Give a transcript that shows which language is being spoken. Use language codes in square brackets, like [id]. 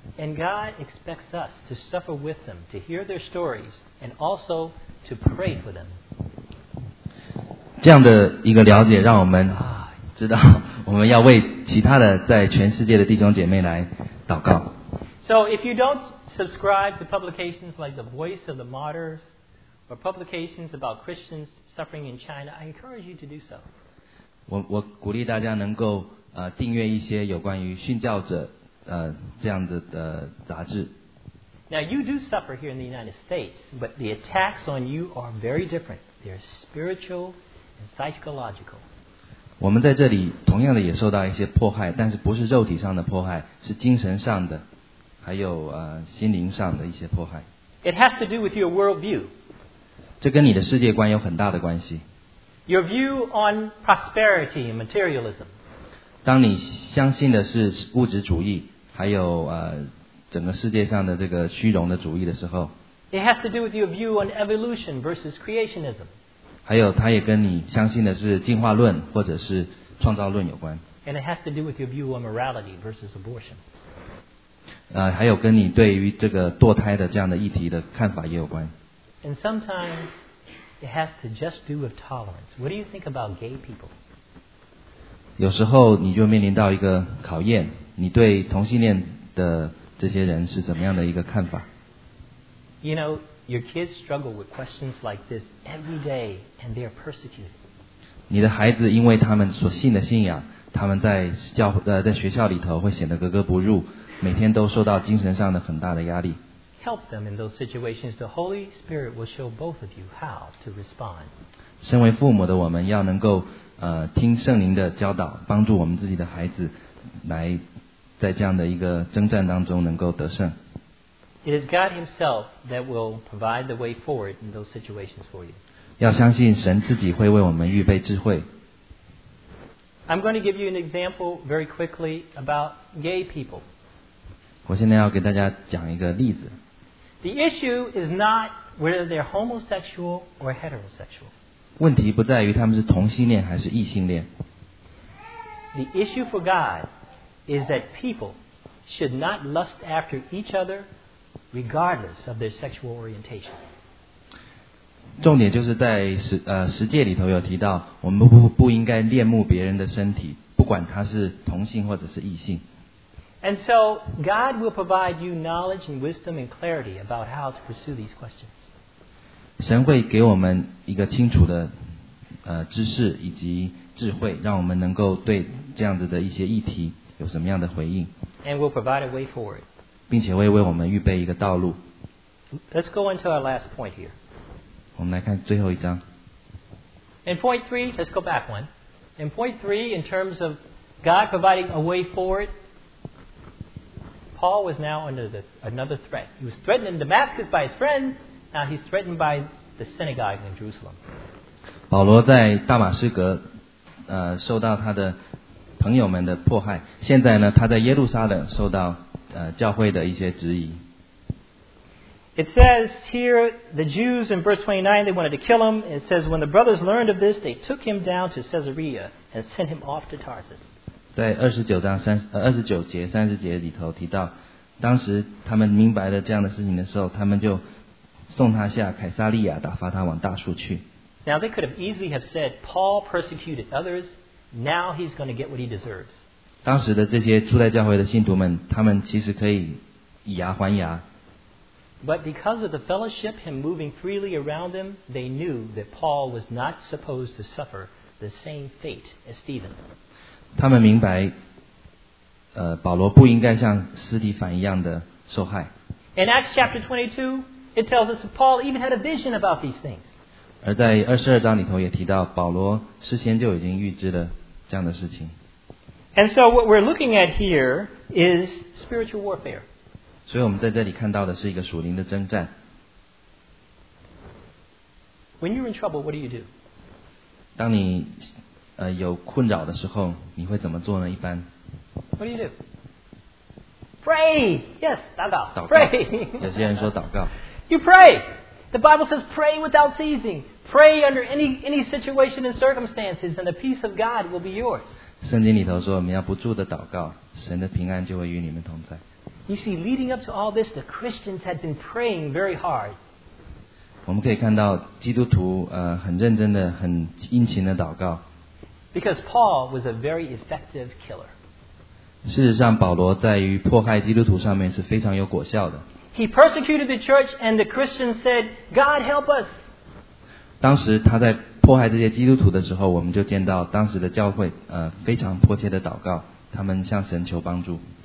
[en] And God expects us to suffer with them, to hear their stories, and also to pray for them. [zh] 这样的一个了解让我们知道我们要为其他的在全世界的弟兄姐妹来祷告。 [en] So if you don't subscribe to publications like the Voice of the Martyrs or publications about Christians suffering in China, I encourage you to do so. [zh] 我鼓励大家能够订阅一些有关于殉教者这样子的杂志。 [en] Now you do suffer here in the United States, but the attacks on you are very different. They are spiritual,psychological. [zh] 我们在这里同样的也受到一些迫害，但是不是肉体上的迫害，是精神上的，还有心灵上的一些迫害。 [en] It has to do with your worldview. [zh] 这跟你的世界观有很大的关系。 [en] Your view on prosperity and materialism. [zh] 当你相信的是物质主义，还有整个世界上的这个虚荣的主义的时候。 [en] It has to do with your view on evolution versus creationism. [zh] 还有他也跟你相信的是进化论或者是创造论有关。 [en] And it has to do with your view on morality versus abortion. [zh] 还有跟你对于这个堕胎的这样的议题的看法也有关。 [en] And sometimes it has to just do with tolerance. What do you think about gay people? [zh] 有时候你就面临到一个考验，你对同性恋的这些人是怎么样的一个看法？ [en] You know, Your kids struggle with questions like this every day, and they are persecuted. [zh] 你的孩子因为他们所信的信仰，他们在教在学校里头会显得格格不入，每天都受到精神上的很大的压力。 [en] Help them in those situations. The Holy Spirit will show both of you how to respond. [zh] 身为父母的我们要能够听圣灵的教导，帮助我们自己的孩子来在这样的一个征战当中能够得胜。 [en] It is God Himself that will provide the way forward in those situations for you. [zh] 要相信神自己会为我们预备智慧。 [en] I'm going to give you an example very quickly about gay people. [zh] 我现在要给大家讲一个例子。 [en] The issue is not whether they're homosexual or heterosexual. [zh] 问题不在于他们是同性恋还是异性恋。 [en] The issue for God is that people should not lust after each other. Regardless of their sexual orientation. [zh] 重点就是在十诫里头有提到，我们不应该恋慕别人的身体，不管他是同性或者是异性。 [en] And so God will provide you knowledge and wisdom and clarity about how to pursue these questions. [zh] 神会给我们一个清楚的知识以及智慧，让我们能够对这样子的一些议题有什么样的回应。 [en] And will provide a way forward. [zh] 并且为我们预备一个道路。 [en] Let's go into our last point here. [zh] 我们来看最后一章。 [en] In point three, let's go back one. In point three, in terms of God providing a way forward, Paul was now under another threat. He was threatened in Damascus by his friends. Now he's threatened by the synagogue in Jerusalem. [zh] 保罗在大马士革，受到他的朋友们的迫害。现在呢，他在耶路撒冷受到。教会的一些质疑。 [en] It says here, the Jews in verse 29, they wanted to kill him. It says, when the brothers learned of this, they took him down to Caesarea and sent him off to Tarsus. [zh] 在29节里头提到，当时他们明白了这样的事情的时候，他们就送他下凯撒利亚，打发他往大树去。 [en] Now they could have easily have said, Paul persecuted others, now he's going to get what he deserves. [zh] 当时的这些初代教会的信徒们，他们其实可以以牙还牙。 [en] But because of the fellowship, him moving freely around them, they knew that Paul was not supposed to suffer the same fate as Stephen. [zh] 他们明白，保罗不应该像斯提凡一样的受害。 [en] In Acts chapter 22, it tells us that Paul even had a vision about these things. [zh] 而在22章里头也提到，保罗事先就已经预知了这样的事情。 [en] And so what we're looking at here is spiritual warfare. [zh] 所以我们在这里看到的是一个属灵的征战。 [en] When you're in trouble, what do you do? [zh] 当你有困扰的时候，你会怎么做呢？一般。 [en] What do you do? Pray. Yes, [zh] 祷告。祷告。 [en] Pray. [zh] 有些人说祷告。 [en] You pray. The Bible says pray without ceasing. Pray under any situation and circumstances, and the peace of God will be yours. [zh] 圣经里头说，我们要不住的祷告，神的平安就会与你们同在。 [en] You see, leading up to all this, the Christians had been praying very hard. [zh] 我们可以看到基督徒很认真的、很殷勤的祷告。 [en] Because Paul was a very effective killer. [zh] 事实上，保罗在于迫害基督徒上面是非常有果效的。 [en] He persecuted the church, and the Christians said, "God help us." [zh] 当时他在迫害这些基督徒的时候，我们就见到当时的教会非常迫切的祷告，他们向神求帮助。